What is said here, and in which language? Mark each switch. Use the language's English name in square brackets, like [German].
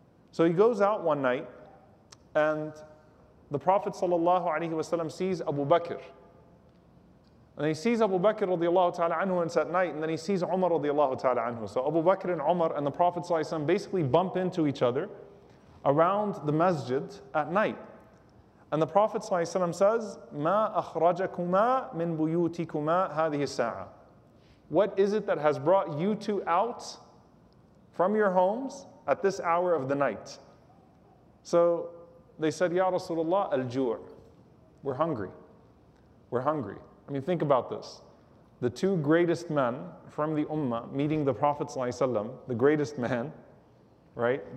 [English] So he goes out one night, and the Prophet ﷺ sees Abu Bakr. And he sees Abu Bakr radiallahu ta'ala anhu, and it's at night, and then he sees Umar radiallahu ta'ala anhu. So Abu Bakr and Umar and the Prophet ﷺ basically bump into each other around the masjid at night. And the Prophet ﷺ says, [Arabic] مَا أَخْرَجَكُمَا مِن بُيُوتِكُمَا هَذِهِ السَّاعَةِ. [English] What is it that has brought you two out from your homes at this hour of the night? So they said, [Arabic] Ya Rasulullah, al-jur. [English] We're hungry. We're hungry. I mean, think about this. The two greatest men from the ummah meeting the Prophet ﷺ, the greatest man, right?